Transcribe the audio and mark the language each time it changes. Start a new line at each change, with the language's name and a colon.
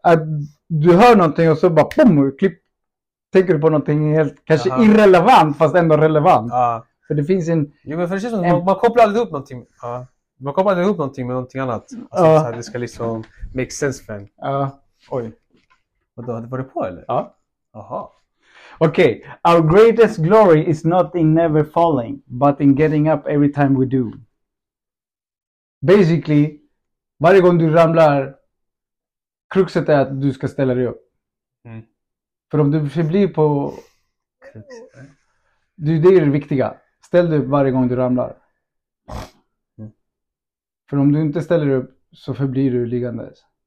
Swedish: Att du hör någonting och så bara pum, klipp. Tänker du på någonting helt, kanske aha, irrelevant, fast ändå relevant. Ja. För det finns en. Jo, men för det känns som man kopplar aldrig ihop någonting. Ja. Man kopplar aldrig ihop någonting med någonting annat. Alltså, ja. Så här, det ska liksom
English: make sense
Swedish: för en. Ja. Oj. Vadå, hade du varit på eller? Ja. Aha. Okej. Okay.
English: Our greatest glory is not in never falling, but in getting up every time we do. Basically,
Swedish: varje gång du ramlar, kruxet är att du ska ställa dig upp. Mm. För om du förblir på, det är det viktiga. Ställ dig upp varje gång du ramlar. Mm. För om du inte ställer dig upp så förblir du liggandes.